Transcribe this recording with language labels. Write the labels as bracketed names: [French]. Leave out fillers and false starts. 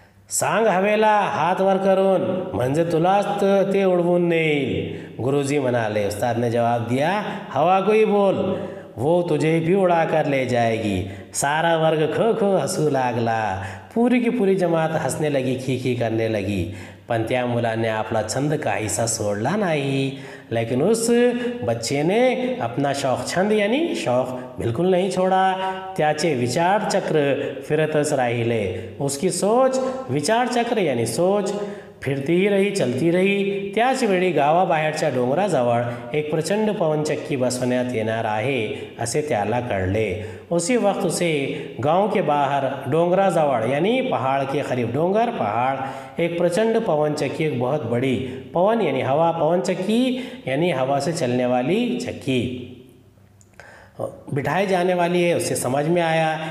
[Marathi] सांग हवेला हाथ वर करून, म्हणजे तुलास्त ते उड़वून नेईल, गुरुजी म्हणाले। [Hindi] उस्ताद ने जवाब दिया, हवा को ही बोल, वो तुझे भी उड़ा कर ले जाएगी। [Marathi] सारा वर्ग खो खो हंसू लागला, [Hindi] पूरी की पूरी जमात हंसने लगी, खी खी करने लगी। [Marathi] पण त्या मुलाने आपला छंद काहीसा सोडला नाही, [Hindi] लेकिन उस बच्चे ने अपना शौक, छंद यानी शौक, बिल्कुल नहीं छोड़ा। [Marathi] त्याचे विचार चक्र फिरतच राहिले, [Hindi] उसकी सोच, विचार चक्र यानी सोच, फिरती ही रही, चलती रही। [Marathi] त्याच वेळी गावाबाहेरच्या डोंगराजवळ एक प्रचंड पवनचक्की बसवण्यात येणार आहे असे त्याला कळले। [Hindi] उसी वक्त उसे गाँव के बाहर डोंगराजवळ यानी पहाड़ के करीब, डोंगर पहाड़, एक प्रचंड पवनचक्की, एक बहुत बड़ी पवन यानी हवा, पवनचक्की यानी हवा से चलने वाली चक्की, बिठाए जाने वाली है, उसे समझ में आया।